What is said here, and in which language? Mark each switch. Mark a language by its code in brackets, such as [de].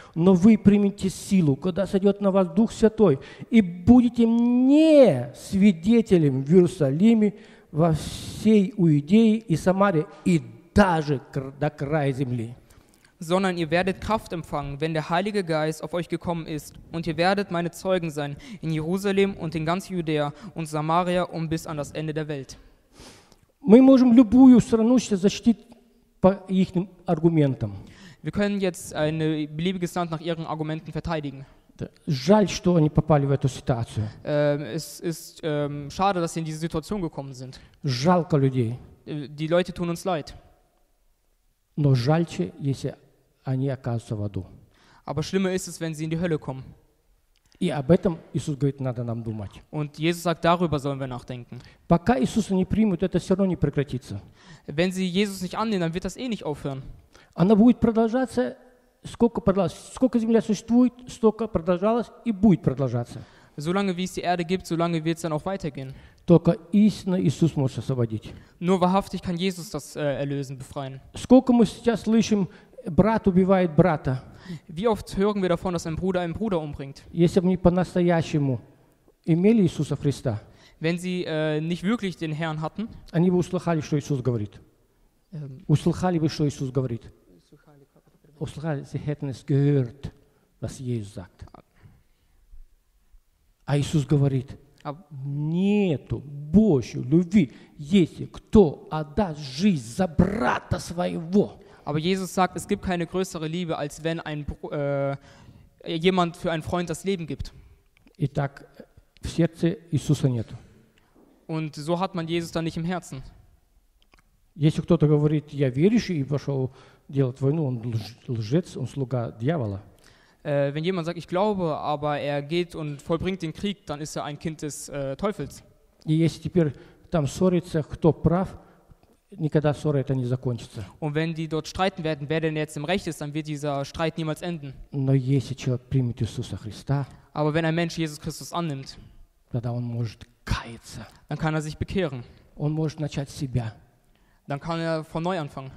[ru] Но вы примите силу, когда сойдет на вас Дух Святой, и будете мне свидетелем в Иерусалиме, во всей Иудее и Самаре и даже до края земли. [de] Sondern ihr werdet Kraft empfangen, wenn der Heilige Geist auf euch gekommen ist, und ihr werdet meine Zeugen sein in Jerusalem und in ganz Judäa und Samaria und bis an das Ende der Welt. [ru] Мы можем любую страну сейчас защитить по их аргументам. [de] Wir können jetzt ein beliebiges Land nach ihren Argumenten verteidigen. [ru] Жаль, что они попали в эту ситуацию. [de] Es ist schade, dass sie in diese Situation gekommen sind. [ru] Жалко людей. [de] Die Leute tun uns leid. [ru] Но жальче, если они оказываются в аду. [de] Aber schlimmer ist es, wenn sie in die Hölle kommen. [ru] И об этом Иисус говорит, надо нам думать. [de] Und Jesus sagt, darüber sollen wir nachdenken. [ru] Пока Иисуса не примут, это все равно не прекратится. [de] Wenn sie Jesus nicht annehmen, dann wird das nicht aufhören. [ru] Она будет продолжаться. Сколько продолжалось, сколько земля существует, столько продолжалось и будет продолжаться. [de] Solange wie es die Erde gibt, solange wird es dann auch weitergehen. [ru] Только истинно Иисус может освободить. [de] Nur wahrhaftig kann Jesus das erlösen, befreien. [ru] Сколько мы сейчас слышим, брат убивает брата. [de] Wie oft hören wir davon, dass ein Bruder einen Bruder umbringt? [ru] Если бы не по-настоящему имели Иисуса Христа. [de] Wenn sie nicht wirklich den Herrn hatten. [ru] Они бы услыхали, что Иисус говорит. Услыхали бы, что Иисус говорит. [de] Sie hätten es gehört, was Jesus sagt. [ru] А Иисус говорит, нету Божьей любви, если кто отдаст жизнь за брата своего. [de] Aber Jesus sagt, es gibt keine größere Liebe, als wenn ein jemand für einen Freund das Leben gibt. [ru] Итак, в сердце Иисуса нету. [de] Und so hat man Jesus dann nicht im Herzen. [ru] Если кто-то говорит, я верующий и пошел делать войну, он лжец, он слуга дьявола. [de] Wenn jemand sagt, ich glaube, aber er geht und vollbringt den Krieg, dann ist er ein Kind des Teufels. [ru] И если теперь там ссорится, кто прав, никогда ссора это не закончится. [de] Und wenn die dort streiten werden, wer denn jetzt im Recht ist, dann wird dieser Streit niemals enden. [ru] Но если человек примет Иисуса Христа, [de] aber wenn ein Mensch Jesus Christus annimmt, [ru] тогда он может каяться. [de] Dann kann er sich bekehren. [ru] Он может начать себя. [de] Dann kann er von neu anfangen.